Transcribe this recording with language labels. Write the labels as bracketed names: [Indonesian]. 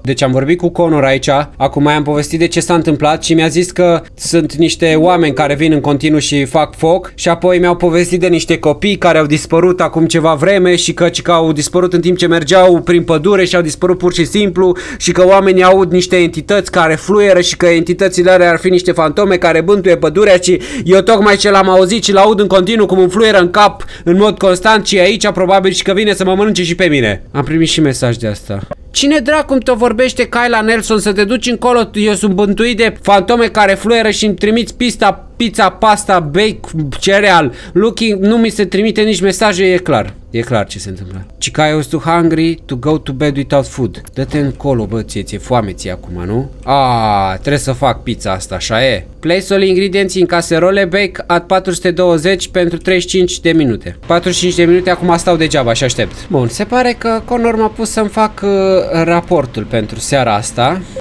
[Romanian] Deci am vorbit cu Conor aici, acum mai am povestit de ce s-a întâmplat și mi-a zis că sunt niște oameni care vin în continuu și fac foc și apoi mi-au povestit de niște copii care au dispărut acum ceva vreme și că au dispărut în timp ce mergeau prin pădure și au dispărut pur și simplu și că oamenii aud niște entități care fluieră și că entitățile alea ar fi niște fantome care bântuie pădurea și eu tocmai ce l-am auzit și l-aud în continuu cum un fluieră în cap în mod constant și aici probabil și că vine să mă mănânce și pe mine. Am primit și mesaj de asta. Cine dracu-mi te vorbește, Kyla Nelson, să te duci încolo? Eu sunt bântuit de fantome care fluieră și îmi trimiți pista, pizza, [English] pasta, bake, cereal, looking, [Romanian] nu mi se trimite nici mesaje, e clar. E clar ce se întâmplă. [English] Chica, I was too hungry to go to bed without food. [Romanian] Dă-te încolo, bă, ție-ți e foame ție acum, nu? Aaa, trebuie să fac pizza asta, așa e. [English] Place all ingredients in caserole, bake at 420 [Romanian] pentru 35 de minute. 45 de minute, acum stau degeaba și aștept. Bun, se pare că Conor m-a pus să-mi fac raportul pentru seara asta.